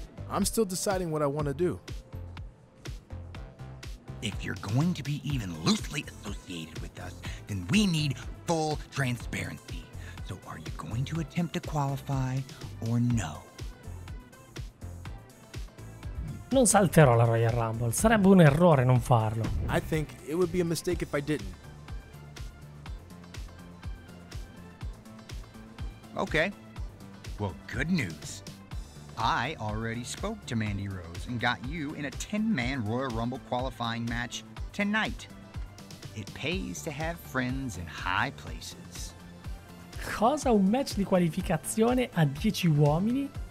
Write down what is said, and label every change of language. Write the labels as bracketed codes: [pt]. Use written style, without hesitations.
[en] I'm still deciding what I want to do. If you're going to be even loosely associated with us, then we need full transparency. So are you going to attempt to qualify or no? [it] Non salterò la Royal Rumble. Sarebbe un errore non farlo. [en] I think it would be a mistake if I didn't. Okay. Well, good news. I already spoke to Mandy Rose and got you in a 10-man Royal Rumble qualifying match tonight. It pays to have friends in high places. [it] Cosa? Un match di qualificazione a 10 uomini?